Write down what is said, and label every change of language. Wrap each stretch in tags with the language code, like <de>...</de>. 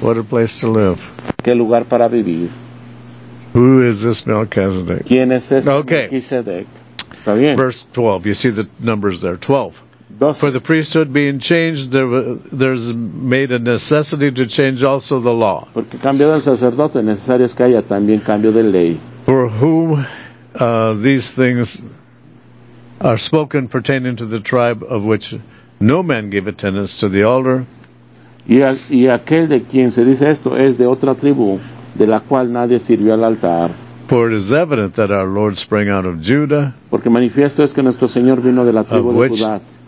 <en>What a place to live.</en> <es>Qué lugar para vivir.</es> <en>Who is this Melchizedek?</en> <es>¿Quién es este Melchizedek? Está bien.</es> <en>Verse 12. You see the numbers there. 12. For the priesthood being changed, there's made a necessity to change also the law.</en> <es>Porque cambio del sacerdote, necesario es que haya también cambio de ley.</es> <en>For whom these things are spoken pertaining to the tribe of which no man gave attendance to the altar.</en> <es>Y aquel de quien se dice esto es de otra tribu, de la cual nadie sirvió al altar.</es> <en>For it is evident that our Lord sprang out of Judah.</en> <es>Porque manifiesto es que nuestro Señor vino de la tribu de Judá.</es>